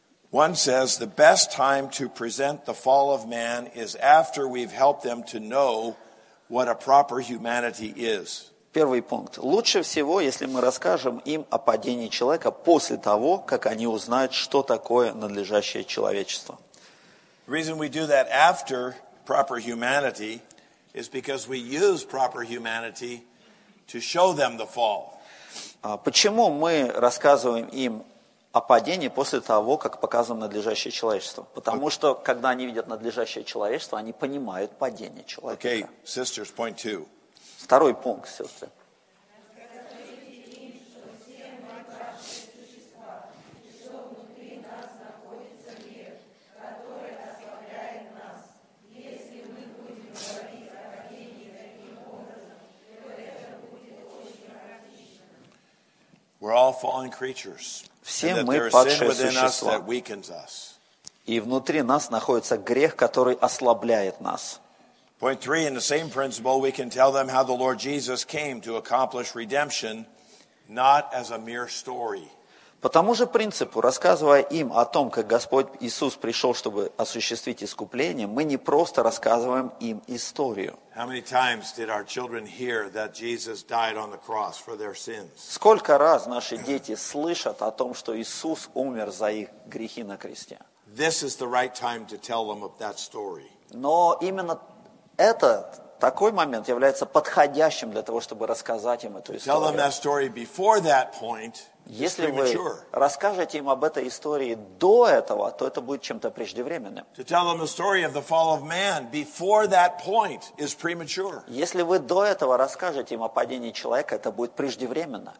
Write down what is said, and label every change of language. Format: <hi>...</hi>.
<en>One says the best time to present the fall of man is after we've helped them to know what a proper humanity is.</en> <ru>Первый пункт. Лучше всего, если мы расскажем им о падении человека после того, как они узнают, что такое надлежащее человечество.</ru> <en>The reason we do that after proper humanity is because we use proper humanity to show them the fall.</en> <ru>Почему мы рассказываем им о падении после того, как показываем надлежащее человечество? Потому что, когда они видят надлежащее человечество, они понимают падение человека.</ru> <en>Okay, sisters, point two.</en> <ru>Второй пункт, сестры.</ru> <en>We're all fallen creatures.</en> <ru>Все мы падшие существа. И внутри нас находится грех, который ослабляет нас.</ru> <en>Point three, in the same principle, we can tell them how the Lord Jesus came to accomplish redemption, not as a mere story.</en> <ru>По тому же принципу, рассказывая им о том, как Господь Иисус пришел, чтобы осуществить искупление, мы не просто рассказываем им историю.</ru> <en>How many times did our children hear that Jesus died on the cross for their sins?</en> <ru>Сколько раз наши дети слышат о том, что Иисус умер за их грехи на кресте?</ru> <en>This is the right time to tell them of that story.</en> <ru>Но именно это такой момент является подходящим для того, чтобы рассказать им эту историю. Если вы расскажете им об этой истории до этого, то это будет чем-то преждевременным. Если вы до этого расскажете им о падении человека, это будет преждевременно.</ru>